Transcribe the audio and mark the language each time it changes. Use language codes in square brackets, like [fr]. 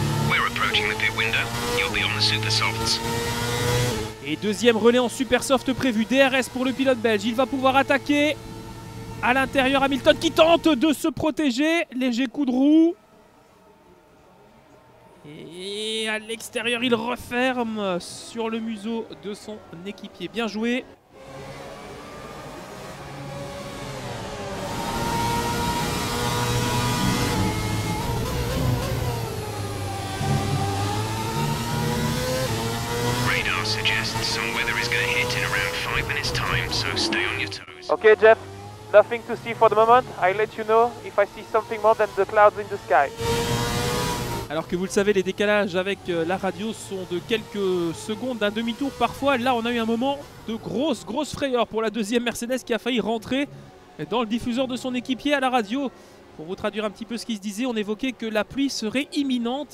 [en] We're approaching the pit window. You'll be on the super softs. [fr] Et deuxième relais en super soft prévu. DRS pour le pilote belge. Il va pouvoir attaquer à l'intérieur. Hamilton qui tente de se protéger. Léger coup de roue. Et à l'extérieur, il referme sur le museau de son équipier. Bien joué. [en] Radar suggests some weather is going to hit in around 5 minutes time, so stay on your toes. Okay, Jeff. Nothing to see for the moment. I'll let you know if I see something more than the clouds in the sky. [fr] Alors que vous le savez, les décalages avec la radio sont de quelques secondes, d'un demi-tour parfois. Là, on a eu un moment de grosse frayeur pour la deuxième Mercedes qui a failli rentrer dans le diffuseur de son équipier à la radio. Pour vous traduire un petit peu ce qui se disait, on évoquait que la pluie serait imminente.